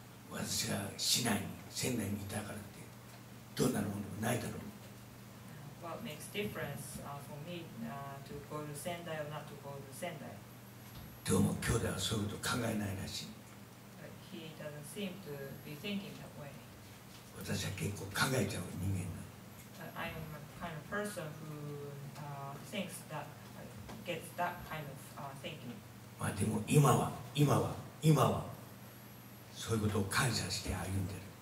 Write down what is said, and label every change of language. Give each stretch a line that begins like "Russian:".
Japanese: 私が市内に仙台にいたからってどうなるものでもないだろう。
English: What makes difference for me to go to Sendai or not to go to Sendai?
Japanese: どうも兄弟はそういうこと考えないらしい。
English: But he doesn't seem to be thinking that way.
Japanese: 私は結構考えちゃう人間だ。
English: I am a kind of person who thinks that gets that kind of thinking.
Japanese: まあでも今はそういうことを感謝して歩んでる。